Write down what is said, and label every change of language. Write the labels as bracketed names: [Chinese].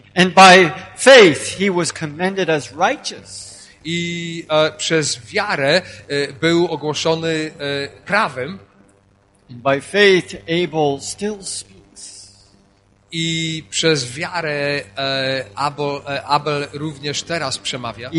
[English] And by faith he was commended as righteous. [Polish] I przez wiarę był ogłoszony prawym. [English] And by faith Abel still speaks. [Polish] I przez wiarę Abel również teraz przemawia.